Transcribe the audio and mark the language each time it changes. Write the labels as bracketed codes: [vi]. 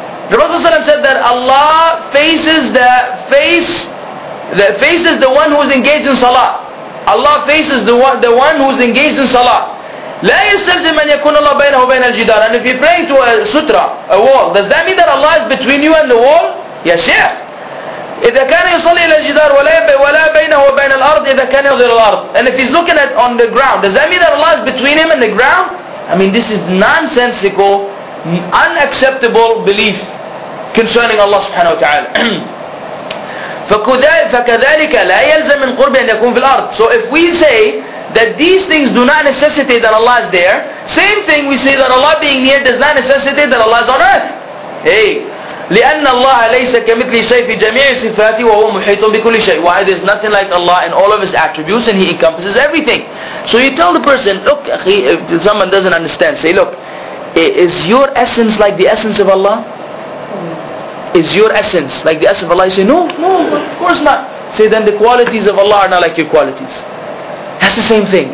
[en] The Rasul ﷺ said that Allah faces the one who is engaged in salah. Allah faces the one who is engaged in salah. [ar] لَا يَسْتَلْزِمْ أَنْ يَكُونَ اللَّهُ بَيْنَهُ وَبَيْنَ الْجِدَارِ. [en] And if you pray to a sutra, a wall, does that mean that Allah is between you and the wall? Yes, yeah. [ar] إذا كان يصلي إلى الجدار ولا بينه وبين الأرض إذا كان يظهر الأرض. [en] And if he's looking at on the ground, does that mean that Allah is between him and the ground? I mean, this is nonsensical, unacceptable belief concerning Allah subhanahu wa ta'ala. [ar] فكذلك لا يلزم من قرب أن يكون في الأرض. [en] So if we say that these things do not necessitate that Allah is there, same thing we say that Allah being near does not necessitate that Allah is on earth. Hey. [ar] لأن الله ليس كمثل شيء في جميع صفاته وهو محيط بكل شيء. [en] Why? There's nothing like Allah in all of His attributes and He encompasses everything. So you tell the person, look, if someone doesn't understand, say, look, is your essence like the essence of Allah? Is your essence like the essence of Allah? You say, no, of course not. Say, then the qualities of Allah are not like your qualities. That's the same thing.